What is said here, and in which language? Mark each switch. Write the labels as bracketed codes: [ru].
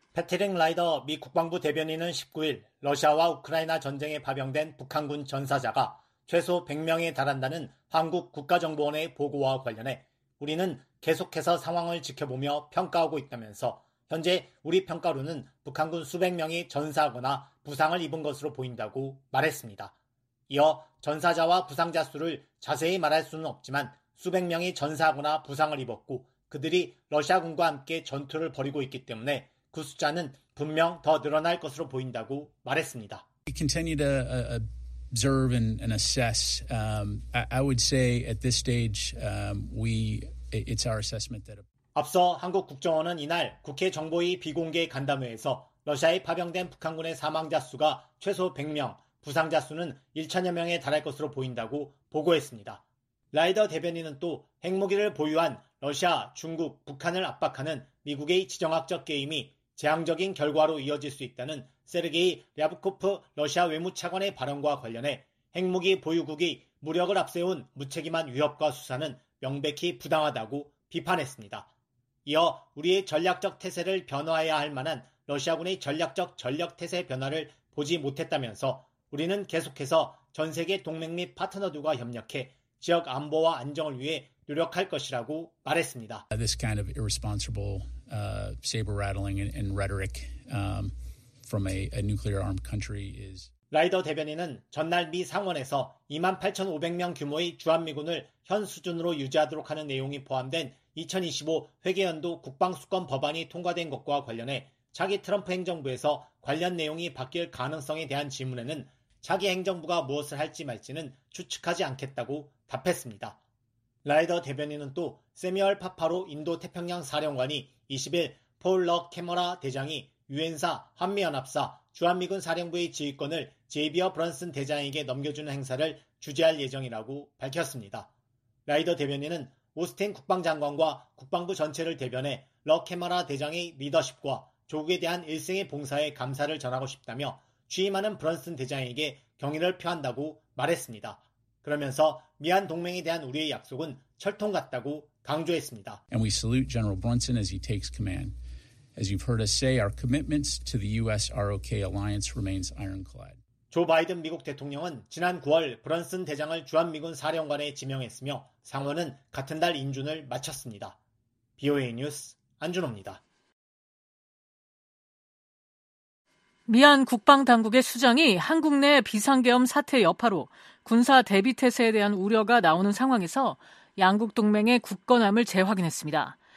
[ko] 패트릭 라이더 미 국방부 대변인은 19일 러시아와 우크라이나 전쟁에 파병된 북한군 전사자가 최소 100명에 달한다는 한국 국가정보원의 보고와 관련해 우리는 계속해서 상황을 지켜보며 평가하고 있다면서 현재 우리 평가로는 북한군 수백 명이 전사하거나 부상을 입은 것으로 보인다고 말했습니다. 이어 전사자와 부상자 수를 자세히 말할 수는 없지만 수백 명이 전사하거나 부상을 입었고 그들이 러시아군과 함께 전투를 벌이고 있기 때문에 그 숫자는 분명 더 늘어날 것으로 보인다고 말했습니다. [en] We continue to observe and assess. I would say at this stage, it's our assessment that. [ko] 앞서 한국 국정원은 이날 국회 정보위 비공개 간담회에서 러시아에 파병된 북한군의 사망자 수가 최소 100명, 부상자 수는 1천여 명에 달할 것으로 보인다고 보고했습니다. 라이더 대변인은 또 핵무기를 보유한 러시아, 중국, 북한을 압박하는 미국의 지정학적 게임이 재앙적인 결과로 이어질 수 있다는 세르게이 랴브코프 러시아 외무차관의 발언과 관련해 핵무기 보유국이 무력을 앞세운 무책임한 위협과 수사는 명백히 부당하다고 비판했습니다. 이어 우리의 전략적 태세를 변화해야 할 만한 러시아군의 전략적 전력 태세 변화를 보지 못했다면서 우리는 계속해서 전 세계 동맹 및 파트너들과 협력해 지역 안보와 안정을 위해 노력할 것이라고 말했습니다. [en] This kind of irresponsible saber rattling and rhetoric from a nuclear armed country is [ko] 라이더 대변인은 전날 미 상원에서 2만 8,500명 규모의 주한미군을 현 수준으로 유지하도록 하는 내용이 포함된 2025 회계연도 국방수권 법안이 통과된 것과 관련해 차기 트럼프 행정부에서 관련 내용이 바뀔 가능성에 대한 질문에는 차기 행정부가 무엇을 할지 말지는 추측하지 않겠다고 답했습니다. 라이더 대변인은 또 세미얼 파파로 인도태평양 사령관이 20일 폴 러 캐머라 대장이 유엔사, 한미연합사, 주한미군 사령부의 지휘권을 제이비어 브런슨 대장에게 넘겨주는 행사를 주재할 예정이라고 밝혔습니다. 라이더 대변인은 오스틴 국방장관과 국방부 전체를 대변해 러 캐머라 대장의 리더십과 조국에 대한 일생의 봉사에 감사를 전하고 싶다며 취임하는 브런슨 대장에게 경의를 표한다고 말했습니다. 그러면서 미한 동맹에 대한 우리의 약속은 철통 같다고 강조했습니다. [en] And we salute General Brunson as he takes command. As you've heard us say, our commitments to the US-ROK alliance remains ironclad. [ko] 조 바이든 미국 대통령은 지난 9월 브런슨 대장을 주한미군 사령관에 지명했으며 상원은 같은 달 인준을 마쳤습니다. BOA 뉴스 안준호입니다. 미얀 국방당국의 수장이 한국 내 비상계엄 사태 여파로 군사 대비태세에 대한 우려가 나오는 상황에서 양국 동맹의 굳건함을 재확인했습니다.